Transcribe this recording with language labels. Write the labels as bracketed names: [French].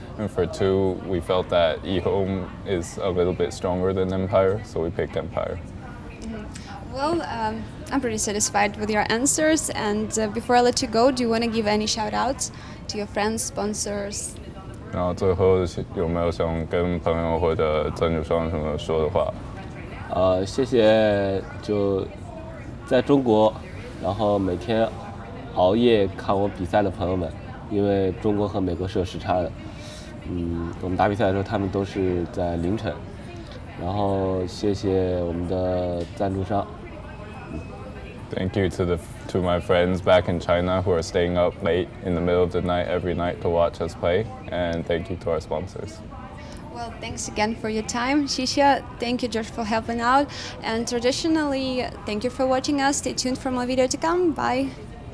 [English] And for two, we felt that eHome is a little bit stronger than Empire, so we picked Empire. Mm-hmm. Well, I'm pretty satisfied with your answers. And before I let you go, do you want to give any shout outs to your friends, sponsors? [Chinese] 然后最后有没有想跟朋友或者赞助商什么说的话？谢谢，就在中国，然后每天熬夜看我比赛的朋友们，因为中国和美国是有时差的。嗯，我们打比赛的时候，他们都是在凌晨。然后谢谢我们的赞助商。 [English] Thank you to my friends back in China who are staying up late in the middle of the night every night to watch us play, and thank you to our sponsors. Well, thanks again for your time, Xixia. Thank you, George, for helping out. And traditionally, thank you for watching us. Stay tuned for more videos to come. Bye.